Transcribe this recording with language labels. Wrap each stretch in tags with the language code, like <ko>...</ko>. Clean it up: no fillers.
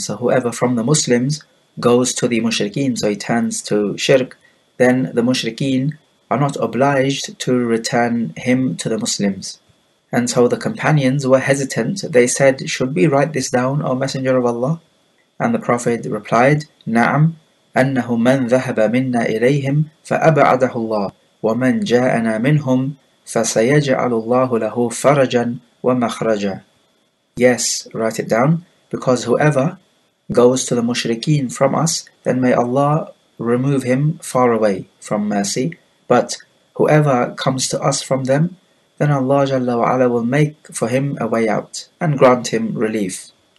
<en>So whoever from the Muslims goes to the Mushrikeen, so he turns to Shirk, then the Mushrikeen are not obliged to return him to the Muslims. And so the companions were hesitant. They said, should we write this down, O Messenger of Allah? And the Prophet replied, Na'am,</en> <ar>أَنَّهُ مَنْ ذَهَبَ مِنَّا إِلَيْهِمْ فَأَبْعَدَهُ اللَّهُ وَمَنْ جَاءَنَا مِنْهُمْ فَسَيَجْعَلُ اللَّهُ لَهُ فَرَجًا وَمَخْرَجًا.</ar> <en>Yes, write it down, because whoever goes to the Mushrikeen from us, then may Allah remove him far away from mercy. But whoever comes to us from them, then Allah Jalla wa Ala will make for him a way out and grant him relief.</en>